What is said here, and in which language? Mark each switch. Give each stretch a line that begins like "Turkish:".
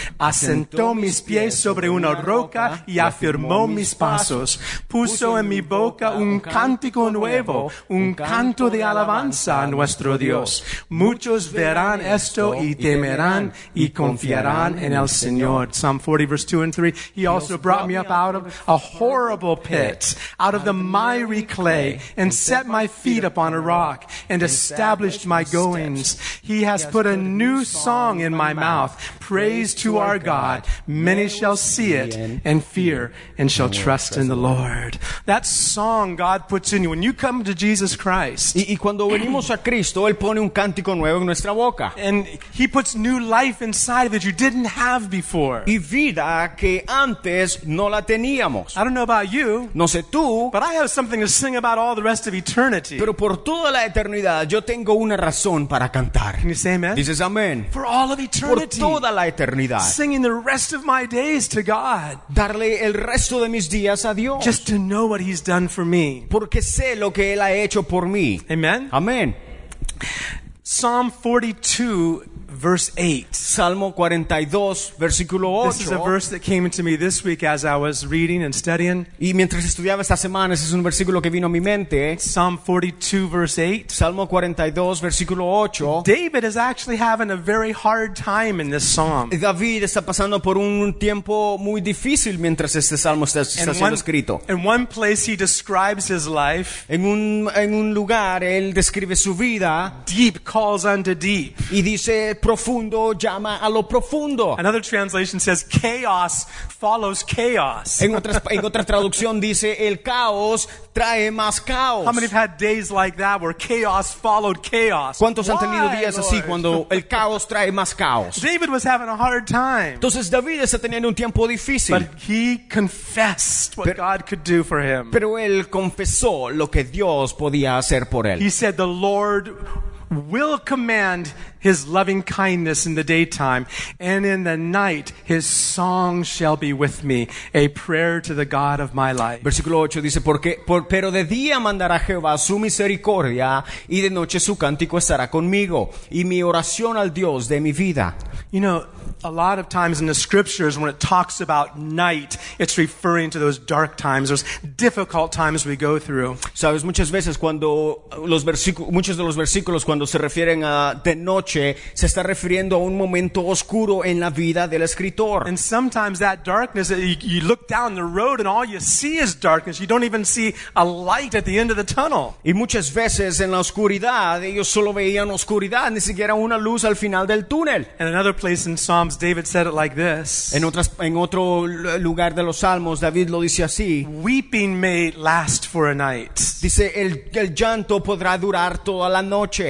Spanish: Asentó mis pies sobre una roca y afirmó mis pasos. Puso en mi boca un cántico nuevo, un canto de alabanza a nuestro Dios. Muchos verán esto y temerán y confiarán en el Señor.
English: Psalm 40, verse 2 and 3. He also brought me up out of a horrible pit, out of the miry clay, and set my feet upon a rock, and established my goings. He has put a new song in my mouth, praise to our God. Many shall see it and fear and shall trust in the Lord. That song God puts in you when you come to Jesus Christ.
Spanish: Y cuando venimos a Cristo, Él pone un cántico nuevo en nuestra boca.
English: And He puts new life inside that you didn't have before.
Spanish: Y vida que antes no la teníamos.
English: I don't know about you.
Spanish: No sé tú.
English: But I have something to sing about all the rest of eternity.
Spanish: Pero por toda la eternidad, yo tengo una razón para cantar.
English: Can you say amen?
Spanish: Dices amén.
English: For all of eternity.
Spanish: Por toda la eternidad.
English: Singing the rest of my days to God.
Spanish: Darle el resto de mis días a Dios.
English: Just to know what He's done for me.
Spanish: Porque sé lo que Él ha hecho por mí.
English: Amen.
Spanish: Amén.
English: Psalm 42. Verse 8.
Spanish: Salmo 42, versículo 8.
English: This is a verse that came to me this week as I was reading and studying.
Spanish: Y mientras estudiaba esta semana, ese es un versículo que vino a mi mente.
English: Psalm 42, verse 8.
Spanish: Salmo 42, versículo 8.
English: David is actually having a very hard time in this psalm.
Spanish: David está pasando por un tiempo muy difícil mientras este salmo está siendo escrito.
English: In one place he describes his life.
Spanish: En un lugar él describe su vida.
English: Deep calls unto deep.
Spanish: Y dice profundo llama a lo profundo.
English: Another translation says chaos follows chaos.
Spanish: En otra traducción dice el caos trae más caos.
English: How many have had days like that where chaos followed chaos?
Spanish: ¿Cuántos
English: Why,
Spanish: han tenido días
English: Lord?
Spanish: Así cuando el caos trae más caos?
English: David was having a hard time.
Spanish: Entonces David está teniendo un tiempo difícil.
English: But he confessed what God could do for him.
Spanish: Pero él confesó lo que Dios podía hacer por él.
English: He said the Lord will command His loving kindness in the daytime, and in the night His song shall be with me, a prayer to the God of my life.
Spanish: Versículo 8 dice, pero de día mandará Jehová su misericordia, y de noche su cántico estará conmigo, y mi oración al Dios de mi vida.
English: You know, a lot of times in the scriptures when it talks about night, it's referring to those dark times, those difficult times we go through.
Spanish: Sabes, muchas veces cuando los versículos, muchos de los versículos cuando se refieren a de noche, se está refiriendo a un momento oscuro en la vida del escritor.
English: And sometimes that darkness, you look down the road and all you see is darkness. You don't even see a light at the end of the tunnel.
Spanish: Y muchas veces en la oscuridad, ellos solo veían oscuridad, ni siquiera una luz al final del túnel.
English: And another place in Psalms, David said it like this.
Spanish: En otro lugar de los Salmos, David lo dice así.
English: Weeping may last for a night.
Spanish: Dice, el llanto podrá durar toda la noche.